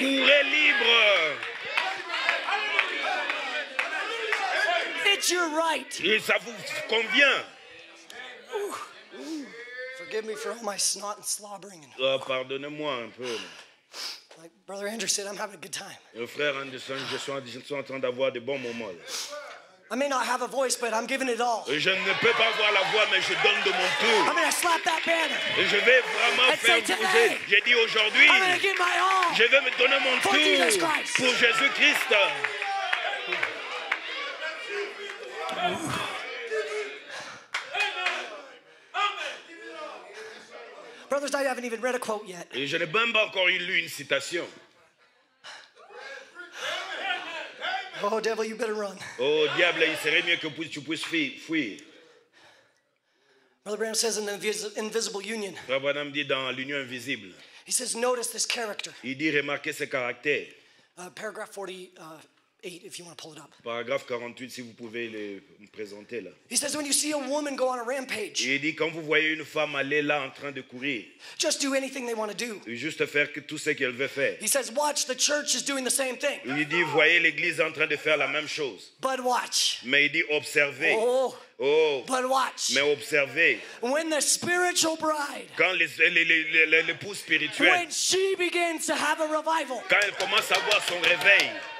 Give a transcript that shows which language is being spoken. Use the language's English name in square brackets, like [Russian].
[French] Courez libre. [English] It's your right. [French] Et ça vous convient. [English] Forgive me for all my snot and slobbering. And... [French] Oh, pardonnez-moi un peu. [English] Like Brother Andrew said, I'm having a good time. [French] Le frère Anderson, je suis en train d'avoir de bons moments. [English] I may not have a voice, but I'm giving it all. [French] Je ne peux pas avoir la voix, mais je donne de mon tout. [English] I'm gonna slap that banner. [French] Je vais vraiment [English] and [French] faire bouger. J'ai dit aujourd'hui. [English] I'm gonna give my all. [French] Je vais me donner mon [English] for [French] tout [English] Jesus Christ. [French] Pour Jésus Christ. [English] Brothers, I haven't even read a quote yet. [French] Et je n'ai même pas encore lu une citation. [English] Oh, devil, you better run. [French] Oh, diable, il serait mieux que tu puisses fuir. [English] Brother Branham says in the invisible union. [French] Brother Branham dit dans l'union invisible. [English] He says, notice this character. [French] Il dit, remarquez ce caractère. [English] Paragraph 48, if you want to pull it up. [French] Paragraphe 48, si vous pouvez le présenter là. [English] He says, when you see a woman go on a rampage. [French] Il dit, quand vous voyez une femme aller là en train de courir. [English] Just do anything they want to do. [French] Juste faire que tout ce qu'elle veut faire. [English] He says, watch, the church is doing the same thing. [French] Il dit, voyez l'église en train de faire la même chose. [English] But watch. [French] Mais il dit, observez. Oh. Oh, [English] but watch. [French] Mais observez. [English] When the spiritual bride, [French] quand l'épouse spirituelle, [English] when she begins to have a revival, [French] quand elle commence à voir son réveil,